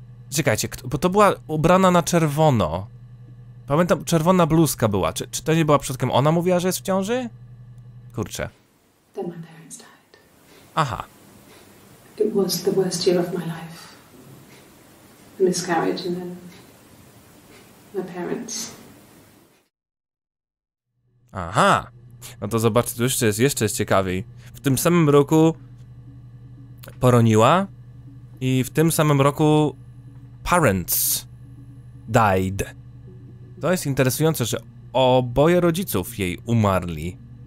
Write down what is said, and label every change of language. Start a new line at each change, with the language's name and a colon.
Polish: Czekajcie, bo to była ubrana na czerwono. Pamiętam, czerwona bluzka była. Czy to nie była przypadkiem ona mówiła, że jest w ciąży? Kurczę.
English: Then my parents died. Aha. It was the worst year of my life. The miscarriage and then my parents. Aha.
Polish: No to zobaczcie, jeszcze jest ciekawiej. W tym samym roku poroniła i w tym samym roku
English: parents died.
Polish: To jest interesujące, że oboje rodziców jej umarli.